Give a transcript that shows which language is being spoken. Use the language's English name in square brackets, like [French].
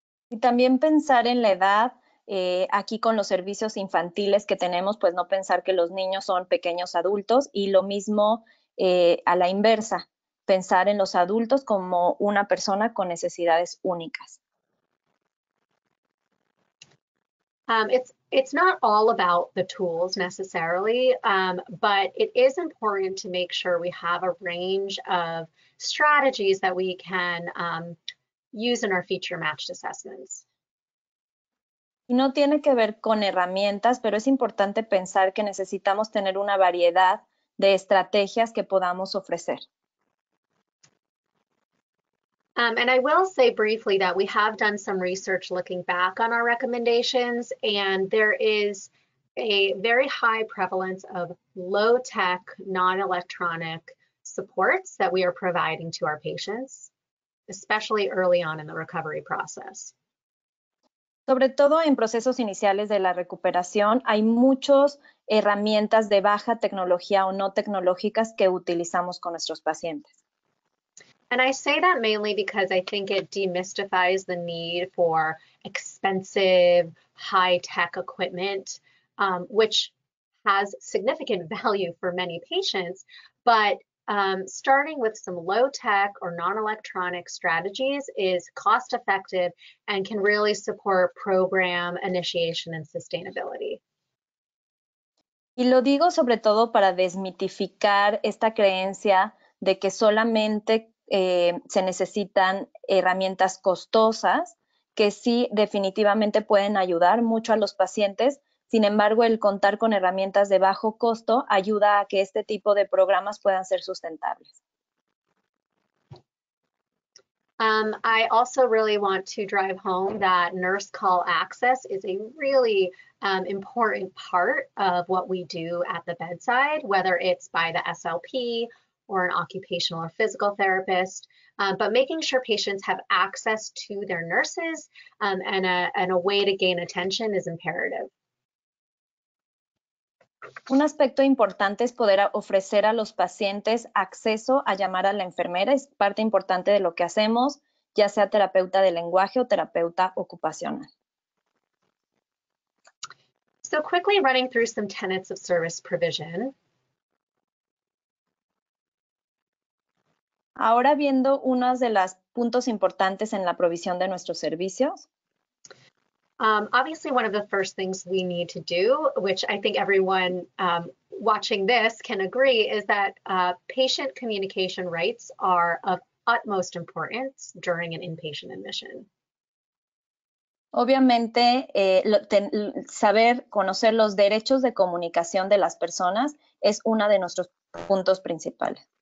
[Spanish] Y también pensar en la edad, aquí con los servicios infantiles que tenemos, pues no pensar que los niños son pequeños adultos, y lo mismo a la inversa, pensar en los adultos como una persona con necesidades únicas. [English] It's not all about the tools necessarily, but it is important to make sure we have a range of strategies that we can use in our feature matched assessments. [Spanish] No tiene que ver con herramientas, pero es importante pensar que necesitamos tener una variedad de estrategias que podamos ofrecer. [English] And I will say briefly that we have done some research looking back on our recommendations, and there is a very high prevalence of low-tech, non-electronic supports that we are providing to our patients, especially early on in the recovery process. [Spanish] Sobre todo en procesos iniciales de la recuperación, hay muchas herramientas de baja tecnología o no tecnológicas que utilizamos con nuestros pacientes. [English] And I say that mainly because I think it demystifies the need for expensive, high-tech equipment, which has significant value for many patients, but starting with some low-tech or non-electronic strategies is cost-effective and can really support program initiation and sustainability. [Spanish] Y lo digo sobre todo para desmitificar esta creencia de que solamente se necesitan herramientas costosas que sí definitivamente pueden ayudar mucho a los pacientes. Sin embargo, el contar con herramientas de bajo costo ayuda a que este tipo de programas puedan ser sustentables. [English] I also really want to drive home that nurse call access is a really important part of what we do at the bedside, whether it's by the SLP or an occupational or physical therapist, but making sure patients have access to their nurses and a way to gain attention is imperative. [Spanish] Un aspecto importante es poder ofrecer a los pacientes acceso a llamar a la enfermera. Es parte importante de lo que hacemos, ya sea terapeuta de lenguaje o terapeuta ocupacional. [English] So quickly running through some tenets of service provision. [Spanish] Ahora viendo unos de los puntos importantes en la provisión de nuestros servicios. [English] Obviously, one of the first things we need to do, which I think everyone watching this can agree, is that patient communication rights are of utmost importance during an inpatient admission. [Spanish] Obviamente, saber conocer los derechos de comunicación de las personas es uno de nuestros puntos principales.